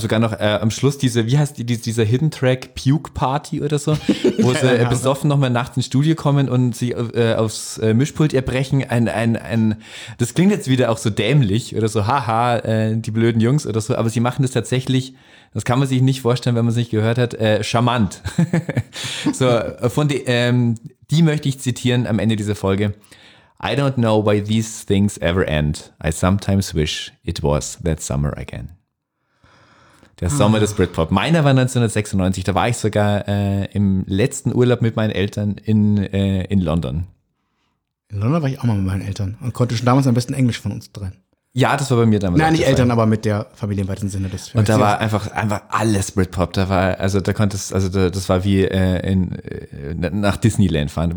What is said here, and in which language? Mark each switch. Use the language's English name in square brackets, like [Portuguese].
[German] Sogar noch am Schluss dieser Hidden Track, Puke Party oder so, wo sie besoffen nochmal nachts ins Studio kommen und sie aufs Mischpult erbrechen. Das klingt jetzt wieder auch so dämlich oder so, haha, die blöden Jungs oder so, aber sie machen das tatsächlich, das kann man sich nicht vorstellen, wenn man es nicht gehört hat, charmant. So, die möchte ich zitieren am Ende dieser Folge. [English] I don't know why these things ever end. I sometimes wish it was that summer again. [German] Der Sommer des Britpop. Meiner war 1996. Da war ich sogar im letzten Urlaub mit meinen Eltern in London. In London war ich auch mal mit meinen Eltern und konnte schon damals am besten Englisch von uns drehen. Ja, das war bei mir damals. Nein, nicht Eltern, aber mit der Familie im weiten Sinne. Und da war einfach alles Britpop. Das war wie nach Disneyland fahren.